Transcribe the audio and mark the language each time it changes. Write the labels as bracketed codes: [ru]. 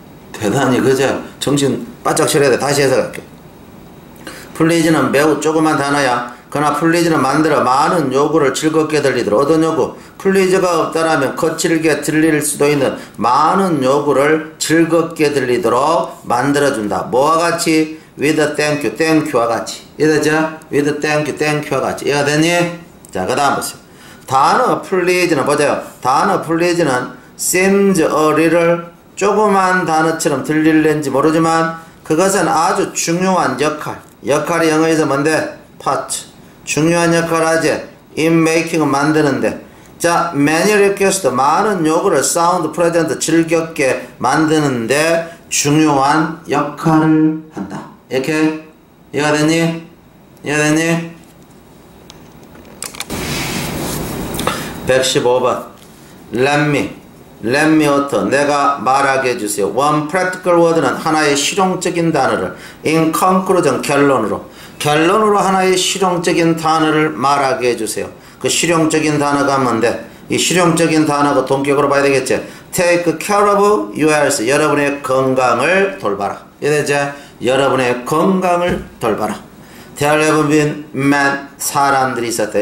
[ko] 대단히 그제 정신 바짝 차려야 돼. 다시 해석할게. 플리즈는 매우 조그만 단어야. 그러나 플리즈는 만들어 많은 요구를 즐겁게 들리도록. 어떤 요구? 플리즈가 없다라면 거칠게 들릴 수도 있는 많은 요구를 즐겁게 들리도록 만들어준다. 뭐와 같이? [en] With a thank you, thank you [ko] 와 같이. 이해되죠? [en] With a thank you, thank you [ko] 와 같이. 이해가 되니? 자, 그 다음 보세요. 단어 플리즈는 보자요. 단어 플리즈는 [en] seems a little [ko] 조그만 단어처럼 들릴는지 모르지만 그것은 아주 중요한 역할. 역할이 영어에서 뭔데? Part. 중요한 역할 하지. [en] In making [ko] 은 만드는데. 자, [en] many requests [ko] 많은 요구를 [en] sound present [ko] 즐겁게 만드는데 중요한 역할을 한다. 이렇게 이해가 됐니? 이해가 됐니? [en] 115번. Let me utter. [ko] 내가 말하게 해주세요. [en] One practical word [ko] 는 하나의 실용적인 단어를 [en] in conclusion [ko] 결론으로 하나의 실용적인 단어를 말하게 해주세요. 그 실용적인 단어가 뭔데? 이 실용적인 단어가 동격으로 봐야 되겠지. [en] Take care of your health. [ko] 여러분의 건강을 돌봐라. 이제 여러분의 건강을 돌봐라. [en] There have been many [ko] 사람들이 있었다.